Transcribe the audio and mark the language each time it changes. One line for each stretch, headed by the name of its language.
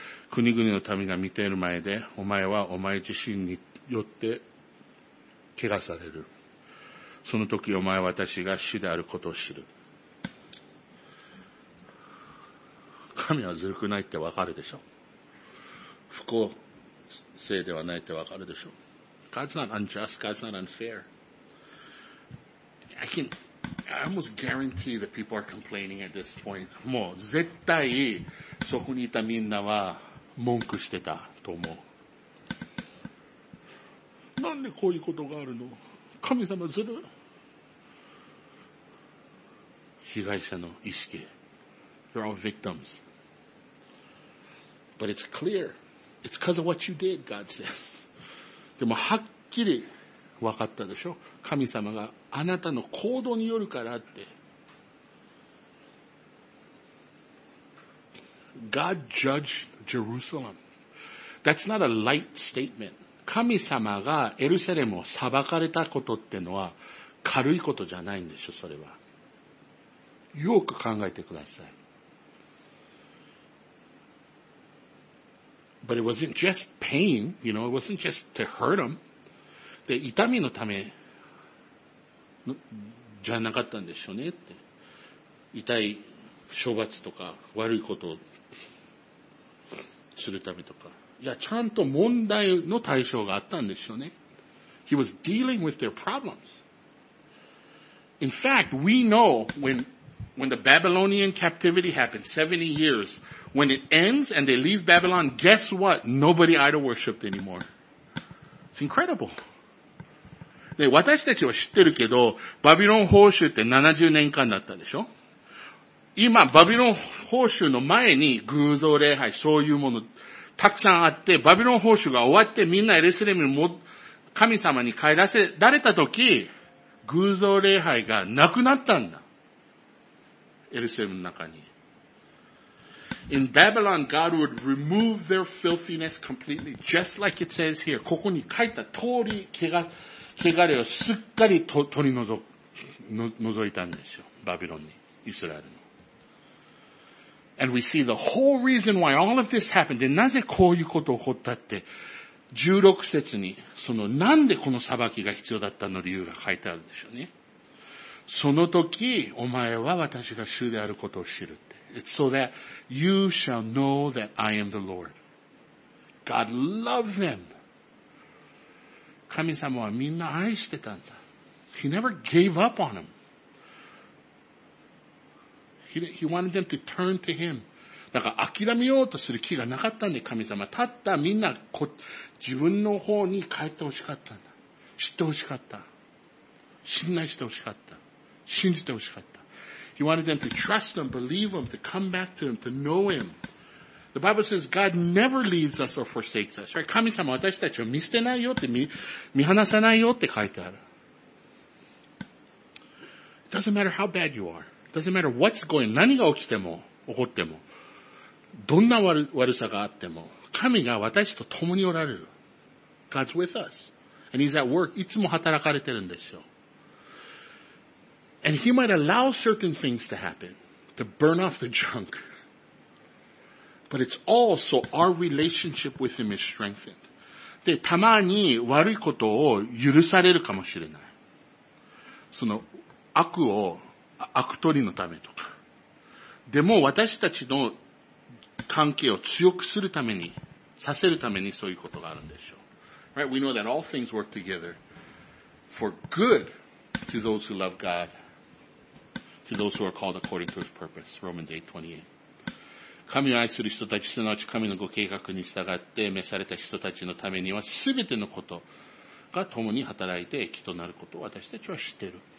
Japanese: 国々の民が見ている前で、お前はお前自身によって汚される。その時お前は私が主であることを知る。神はずるくないってわかるでしょ。不公正ではないってわかるでしょ。
English: God's not unjust, God's not unfair. I almost guarantee that people are complaining at this point.
Japanese: もう絶対そこにいたみんなは文句してたと思う。なんでこういうことがあるの? 神様ずる。被害者の意識。
English: They're all victims. But it's clear. It's because of what you did, God says.
Japanese: でもはっきり分かったでしょ?神様があなたの行動によるからって。
English: God judged Jerusalem. That's not a light statement.
Japanese: 神様がエルサレムを裁かれたことってのは軽いことじゃないんでしょ、それは。よく考えてください。
English: But it wasn't just pain, you know, it wasn't just to hurt him.
Japanese: で、痛みのためのじゃなかったんでしょうねって。痛い処罰とか悪いことをするためとか。いや、ちゃんと問題の対象があったんでしょうね。
English: He was dealing with their problems. In fact, we know when the Babylonian captivity happened, 70 years, when it ends and they leave Babylon, guess what? Nobody idol worshipped anymore. It's incredible.
Japanese: で、私たちは知ってるけど、バビロン捕囚って70年間だったでしょ? 今、バビロン捕囚の前に偶像礼拝、そういうもの、たくさんあって、バビロン捕囚が終わってみんなエルサレムに神様に帰らせられたとき、偶像礼拝がなくなったんだ。エルサレムの中に。
English: In Babylon, God would remove their filthiness completely, just like it says here.
Japanese: ここに書いた通り、汚れをすっかり取り除いたんですよ。バビロンに、イスラエルに。
English: And we see the whole reason why all of this happened.
Japanese: で、なぜこういうことが起こったって、16節に、その、なんでこの裁きが必要だったの理由が書いてあるんでしょうね。その時、お前は私が主であることを知るって。
English: It's so that you shall know that I am the Lord. God loved them.
Japanese: 神様はみんな愛してたんだ。
English: He never gave up on them. He wanted them to turn to him.
Japanese: だから諦めようとする気がなかったんで、神様。たったみんな自分の方に帰ってほしかったんだ。知ってほしかった。信頼してほしかった。信じてほしかった。
English: He wanted them to trust him, believe him, to come back to him, to know him. The Bible says God never leaves us or forsakes us. Right?
Japanese: 神様私たちを見捨てないよって、見放さないよって書いてある。
English: It doesn't matter how bad you are. Doesn't matter what's going,
Japanese: 何が起きても、起こっても、どんな悪さがあっても、神が私と共におられる。
English: God's with us. And he's at work.
Japanese: いつも働かれてるんですよ。
English: And he might allow certain things to happen, to burn off the junk. But it's all so our relationship with him is strengthened.
Japanese: で、たまに悪いことを許されるかもしれない。その悪を、悪取りのためとか。でも私たちの関係を強くするために、させるためにそういうことがあるんでしょう。
English: Right, we know that all things work together for good to those who love God, to those who are called according to his purpose. Romans 8:28.
Japanese: 神を愛する人たち、すなわち神のご計画に従って召された人たちのためには、すべてのことが共に働いて益となることを私たちは知っている。